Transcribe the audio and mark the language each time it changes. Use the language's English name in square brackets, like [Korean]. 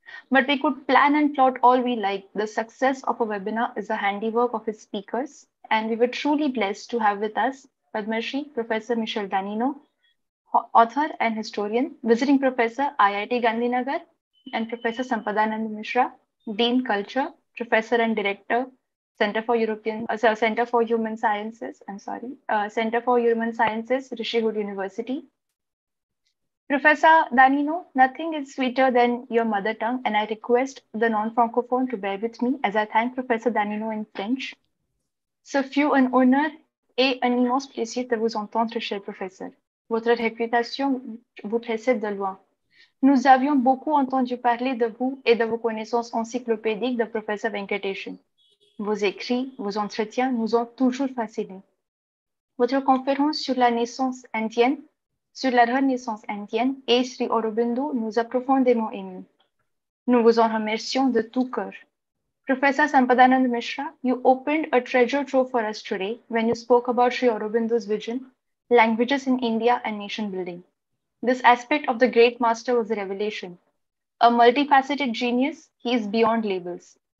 [English] But we could plan and plot all we like. The success of a webinar is a handiwork of its speakers, and we were truly blessed to have with us Padmashri Professor Michelle Danino, author and historian, visiting professor IIT Gandhinagar, and Professor Sampadanand Mishra, Dean Culture, Professor and Director, Center for Human Sciences, Rishikesh University. Professor Danino, nothing is sweeter than your mother tongue, and I request the non-francophone to bear with me as I thank Professor Danino in French. [French] Ce fut un honneur et un immense plaisir de vous entendre, cher professeur. Votre réputation vous précède de loin. Nous avions beaucoup entendu parler de vous et de vos connaissances encyclopédiques de Professor Venkateshan. Vos écrits, vos entretiens nous ont toujours fascinés. Votre conférence sur la naissance indienne, sur la renaissance indienne et Sri Aurobindo nous a profondément émus. Nous vous en remercions de tout cœur. [English] Professor Sampadanand Mishra, you opened a treasure trove for us today when you spoke about Sri Aurobindo's vision, languages in India and nation building. This aspect of the great master was a revelation. A multifaceted genius, he is beyond labels.